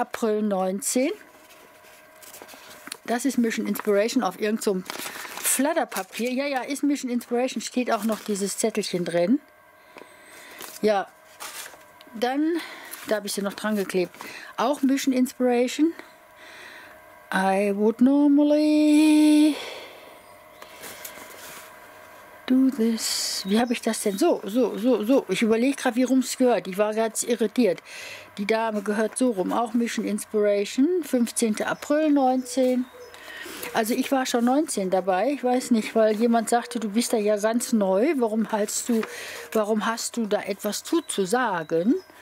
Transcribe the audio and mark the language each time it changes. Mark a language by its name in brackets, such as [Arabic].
[German] April 19, das ist Mission Inspiration auf irgendeinem Flatterpapier. Ja, ist Mission Inspiration, steht auch noch dieses Zettelchen drin. Ja, dann, da habe ich sie noch dran geklebt, auch Mission Inspiration. [English] I would normally do this. [German] Wie habe ich das denn? So. Ich überlege gerade, wie rum es gehört. Ich war ganz irritiert. Die Dame gehört so rum, auch Mission Inspiration. 15. April 19. Also ich war schon 19 dabei, ich weiß nicht, weil jemand sagte, du bist da ja ganz neu, warum hast du da etwas zuzusagen?